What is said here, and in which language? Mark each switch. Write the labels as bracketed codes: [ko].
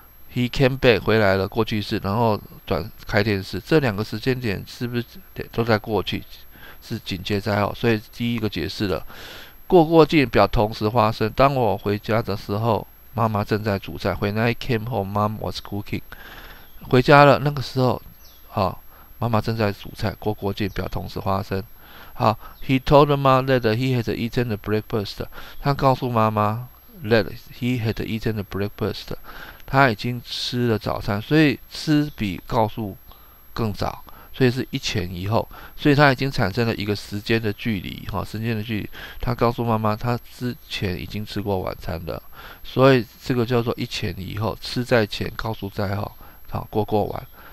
[en] He came back [zh] 回来了，过去式，然后转开天式，这两个时间点是不是都在过去？是紧接在后，所以第一个解释了，过境表同时发生。当我回家的时候，妈妈正在煮菜。 [en] When I came home, mom was cooking。 [zh] 回家了，那个时候，好、哦，妈妈正在煮菜。过境表同时发生。好 [en] ，He told mother that he had eaten the breakfast。 [zh] 他告诉妈妈 [en] that he had eaten the breakfast。 [zh] 他已经吃了早餐，所以吃比告诉更早，所以是一前一后，所以他已经产生了一个时间的距离，哈，时间的距离。他告诉妈妈，他之前已经吃过晚餐了，所以这个叫做一前一后，吃在前，告诉在后，好，过完。